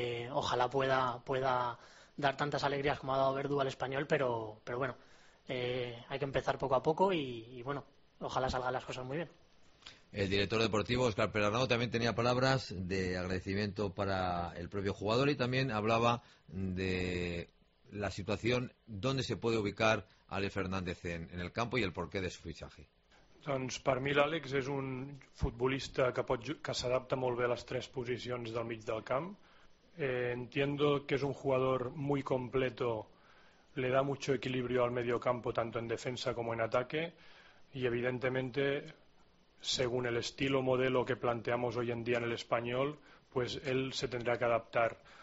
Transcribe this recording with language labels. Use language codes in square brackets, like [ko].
[es] Ojalá pueda dar tantas alegrías como ha dado Verdú al Español, pero bueno, hay que empezar poco a poco y bueno, ojalá salgan las cosas muy bien. El director deportivo, Óscar Perarnau, también tenía palabras de agradecimiento para el propio jugador y también hablaba de la situación, dónde se puede ubicar Ale Fernández en el campo y el porqué de su fichaje. [ca] Doncs per mi l'Àlex és un futbolista que s'adapta molt bé a les 3 posicions del mig del camp. [es] Entiendo que es un jugador muy completo, le da mucho equilibrio al medio campo, tanto en defensa como en ataque, y evidentemente según el estilo modelo que planteamos hoy en día en el Español, pues él se tendrá que adaptar.